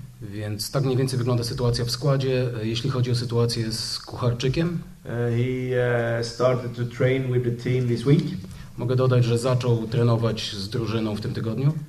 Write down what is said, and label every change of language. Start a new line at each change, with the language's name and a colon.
Polish: Więc tak mniej więcej wygląda sytuacja w składzie, jeśli chodzi o sytuację z Kucharczykiem.
English: He started to train with the team this week.
Polish: Mogę dodać, że zaczął trenować z drużyną w tym tygodniu.